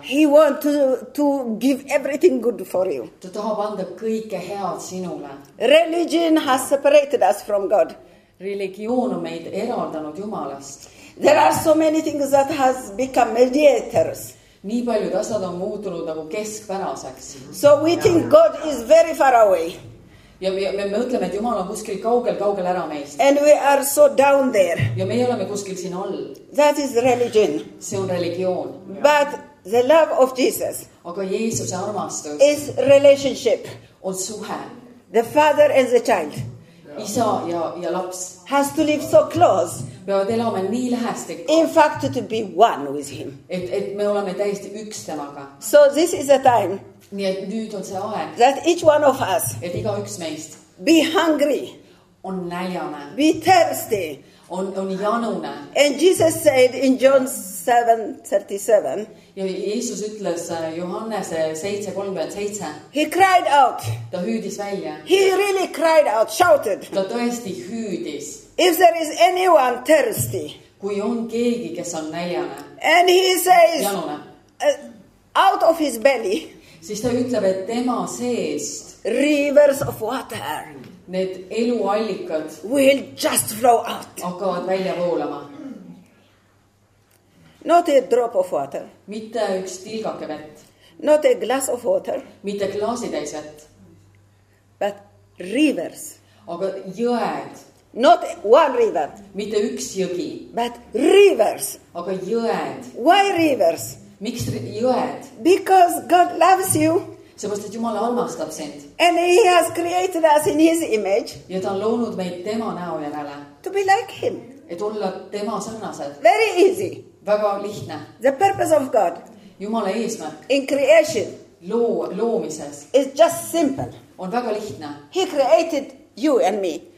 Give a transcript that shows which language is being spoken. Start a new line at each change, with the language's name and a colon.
English: He want to give everything good for you.
Estonian: Ta tahab anda kõike head sinule.
English: Religion has separated us from God.
Estonian: Religioon on meid eraldanud Jumalast.
English: There are so many things that has become mediators.
Estonian: Nii paljud asjad on muutunud nagu keskpäraseks.
English: So we think God is very far away.
Estonian: Ja me ütleme, et Jumal on kuskil kaugel ära meist.
English: And we are so down there.
Estonian: Ja meie oleme kuskil siin all.
English: That is religion.
Estonian: See on religioon.
English: But the love of Jesus.
Estonian: Aga Jeesus armastus.
English: Is relationship.
Estonian: On suhe.
English: The father and the child.
Estonian: Isa ja laps.
English: Has to live so close.
Estonian: Peavad elama nii lähestik.
English: In fact to be one with him.
Estonian: Et me oleme täiesti üks temaga.
English: So this is the time.
Estonian: Nii et nüüd on see aeg.
English: That each one of us.
Estonian: Et iga üks meist.
English: Be hungry.
Estonian: On näljane.
English: Be thirsty.
Estonian: On janune.
English: And Jesus said in John 7:37.
Estonian: Ja Jeesus ütles Johannese 7:37.
English: He cried out.
Estonian: Ta hüüdis välja.
English: He really cried out, shouted.
Estonian: Ta tõesti hüüdis.
English: If there is anyone thirsty.
Estonian: Kui on keegi, kes on näljane.
English: And he says.
Estonian: Janune.
English: Out of his belly.
Estonian: siis ta ütleb, et tema seest
English: rivers of water
Estonian: need eluallikad
English: will just flow out
Estonian: hakkavad välja voolama.
English: Not a drop of water
Estonian: mitte üks tilgake vett.
English: Not a glass of water
Estonian: mitte klaasitäis vett.
English: But rivers
Estonian: aga jõed.
English: Not one river.
Estonian: Mitte üks jõgi.
English: But rivers.
Estonian: Aga jõed.
English: Why rivers?
Estonian: Miks jõed?
English: Because God loves you.
Estonian: Sest Jumal armastab sind.
English: And he has created us in his image.
Estonian: Ja ta on loonud meid tema näo järele.
English: To be like him.
Estonian: Et olla tema sarnased.
English: Very easy.
Estonian: Väga lihtne.
English: The purpose of God.
Estonian: Jumala eesmärk.
English: In creation.
Estonian: Loomises.
English: Is just simple.
Estonian: On väga lihtne.
English: He created you and me.